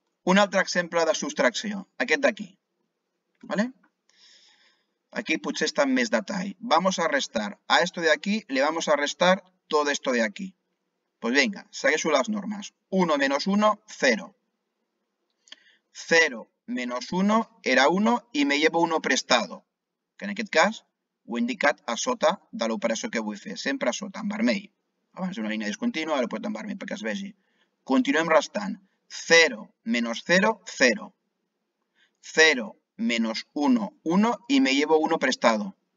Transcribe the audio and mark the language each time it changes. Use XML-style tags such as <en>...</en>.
<ca>Un altre exemple de subtracció, aquest d'aquí. ¿Vale? Aquí potser està en més detall.</ca> <es>Vamos a restar a esto de aquí, le vamos a restar todo esto de aquí. Pues venga,</es> <ca>segueixo les normes. 1</ca> <es>menos</es> <ca>1, 0.</ca> <es>0 menos 1 era 1</es> <ca>i</ca> <es>me llevo 1 prestado.</es> <ca>Que en aquest cas ho he indicat a sota de l'operació que vull fer. Sempre a sota, en vermell. Abans d'una línia discontínua, ara ho poso en vermell perquè es vegi. Continuem restant. 0</ca> <es>menos</es> <ca>0, 0.</ca> <es>0 menos 1, 1 y me llevo 1 prestado.</es>